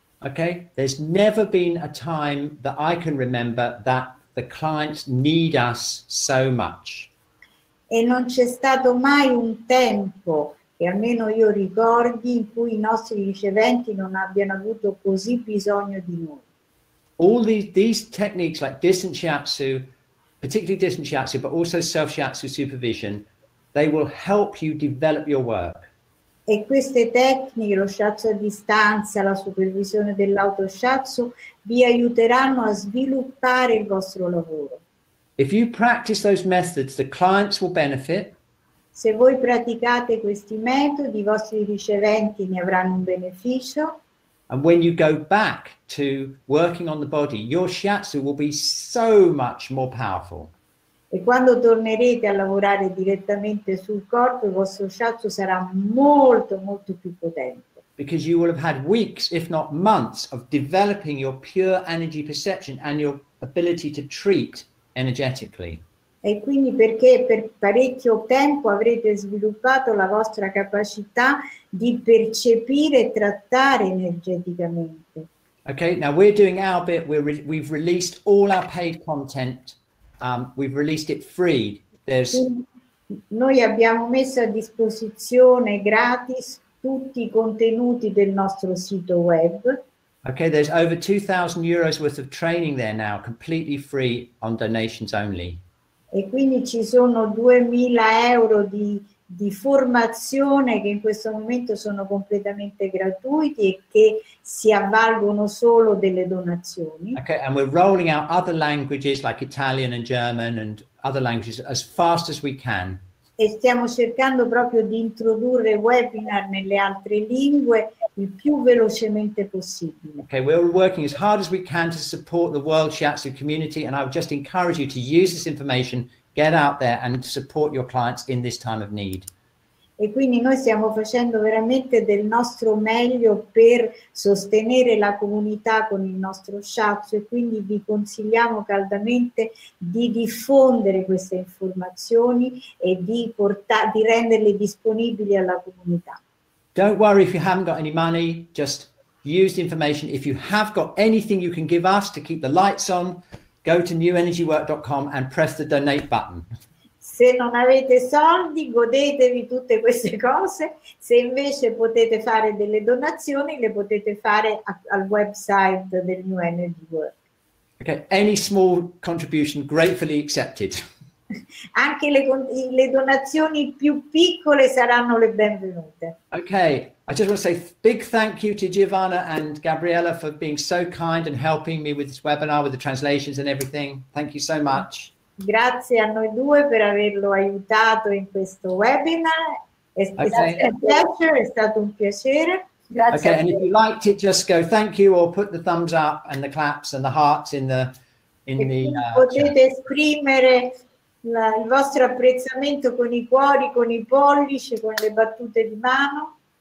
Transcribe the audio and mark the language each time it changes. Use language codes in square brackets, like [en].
[en] Okay, there's never been a time that I can remember that the clients need us so much. [it] E non c'è stato mai un tempo che almeno io ricordi in cui i nostri riceventi non abbiano avuto così bisogno di noi. [en] All these techniques like distance shiatsu, particularly distance shiatsu, but also self-shiatsu supervision, they will help you develop your work. [it] E queste tecniche, lo shiatsu a distanza, la supervisione dell'auto shiatsu, vi aiuteranno a sviluppare il vostro lavoro. [en] If you practice those methods, the clients will benefit. [it] Se voi praticate questi metodi, i vostri riceventi ne avranno un beneficio. [en] And when you go back to working on the body, your shiatsu will be so much more powerful. [it] E quando tornerete a lavorare direttamente sul corpo, il vostro shiatsu sarà molto, molto più potente. [en] Because you will have had weeks, if not months, of developing your pure energy perception and your ability to treat energetically. [it] E quindi perché per parecchio tempo avrete sviluppato la vostra capacità di percepire e trattare energeticamente. [en] Okay, now we're doing our bit. We've released all our paid content We've released it free. There's [it] noi abbiamo messo a disposizione gratis tutti i contenuti del nostro sito web. [en] Okay, there's over 2,000 euros worth of training there now, completely free on donations only. [it] E quindi ci sono 2,000 euro di formazione che in questo momento sono completamente gratuiti e che si avvalgono solo delle donazioni. [en] Okay, and we're rolling out other languages like Italian and German and other languages as fast as we can. [it] E stiamo cercando proprio di introdurre webinar nelle altre lingue il più velocemente possibile. [en] Okay, we're working as hard as we can to support the world Shiatsu community, and I would just encourage you to use this information, get out there and support your clients in this time of need. [it] E quindi noi stiamo facendo veramente del nostro meglio per sostenere la comunità con il nostro Shiatsu, e quindi vi consigliamo caldamente di diffondere queste informazioni e di renderle disponibili alla comunità. [en] Don't worry if you haven't got any money, just use the information. If you have got anything you can give us to keep the lights on, go to newenergywork.com and press the donate button. [it] Se non avete soldi, godetevi tutte queste cose. Se invece potete fare delle donazioni, le potete fare al website del New Energy Work. [en] Okay, any small contribution gratefully accepted. [it] Anche le donazioni più piccole saranno le benvenute. [en] Okay, I just want to say big thank you to Giovanna and Gabriella for being so kind and helping me with this webinar, with the translations and everything. Thank you so much. [it] Grazie a noi due per averlo aiutato in questo webinar. È stato un piacere. Grazie. [en] Okay, and if you liked it, just go thank you or put the thumbs up and the claps and the hearts in the. [it] Potete esprimere il vostro apprezzamento con i cuori, con i pollici, con le battute di mano.